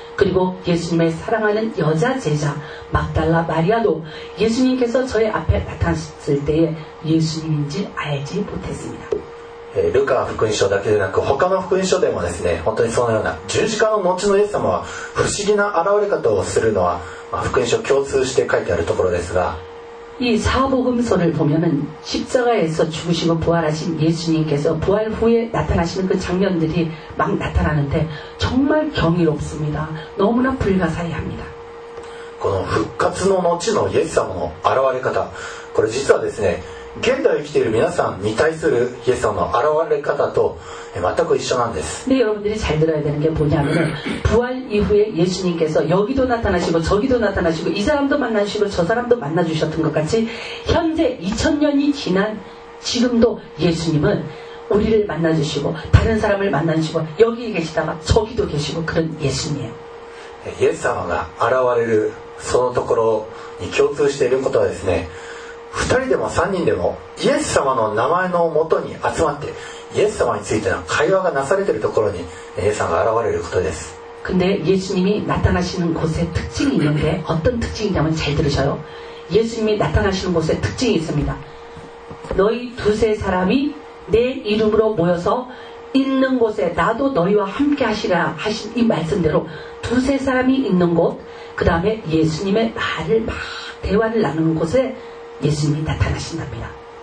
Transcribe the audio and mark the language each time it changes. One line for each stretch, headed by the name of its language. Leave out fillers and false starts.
Korean: 그리고예수님의사랑하는여자제자막달라마리아도예수님께서저의앞에나타났을때에예수님인줄알지못했습니다。
Japanese: ルカ福音書だけでなく他の福音書でもですね、本当にそのような十字架の後のイエス様は不思議な現れ方をするのは福音書共通して書いてあるところですが、
Korean: 이 사복음서를 보면은 십자가에서 죽으시고 부활하신 예수님께서 부활 후에 나타나시는 그 장면들이 막 나타나는데 정말 경이롭습니다. 너무나 불가사의합니다.
Japanese: この復活の後のイエス様の現れ方、これ実はですね、現代生きている皆さん、に対するイエス様の現れ方と全く一緒なんです。
Korean: 네, 여러분들이 잘 들어야 되는 게 뭐냐면은 부활 이후에 예수님께서 여기도 나타나시고 저기도 나타나시고 이 사람도 만나시고 저 사람도 만나 주셨던 것 같이 현재 2000년이 지난 지금도 예수님은 우리를 만나 주시고 다른 사람을 만나 주시고 여기 계시다가 저기도 계시고 그런 예수님이에요.
Japanese: イエス様が現れるそのところに共通していることはですね、2人でも3人でもイエス様の名前のもとに集まってイエス様についての会話がなされているところにイエス様が現れることです。
Korean: 근데예수님이나타나시는곳에특징이있는데어떤특징이냐면잘들으셔요예수님이나타나시는곳에특징이있습니다너희두세사람이내이름으로모여서있는곳에나도너희와함께하시라하신이말씀대로두세사람이있는곳그다음에예수님의말을막대화를나누는곳에예수님이나타나신답니다